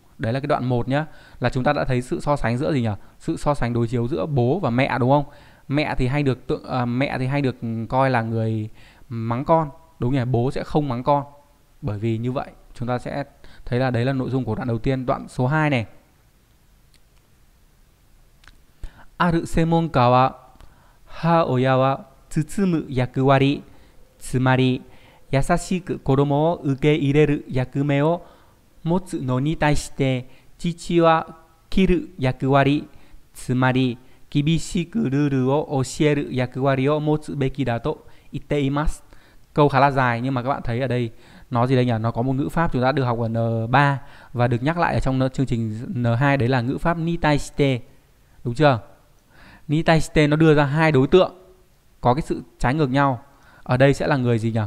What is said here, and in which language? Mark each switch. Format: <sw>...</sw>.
<vi>Đấy là cái đoạn 1 nhá, là chúng ta đã thấy sự so sánh giữa gì nhỉ? Sự so sánh đối chiếu giữa bố và mẹ đúng không? Mẹ thì hay được coi là người mắng con, đúng nhỉ? Bố sẽ không mắng con. Bởi vì như vậy, chúng ta sẽ thấy là đấy là nội dung của đoạn đầu tiên, đoạn số 2 này.</vi> <ja>ある専門家は、母親は包む役割、つまり優しく子供を受け入れる役目を持つのに対して、父は切る役割、つまり厳しくルールを教える役割を持つべきだと言っています。</ja> <vi>Câu khá là dài nhưng mà các bạn thấy ở đây nó gì đây nhỉ? Nó có một ngữ pháp chúng ta được học ở N3 và được nhắc lại ở trong chương trình N2 đấy là ngữ pháp Nitaiste. Đúng chưa? Nitaiste nó đưa ra hai đối tượng có cái sự trái ngược nhau. Ở đây sẽ là người gì nhỉ?</vi>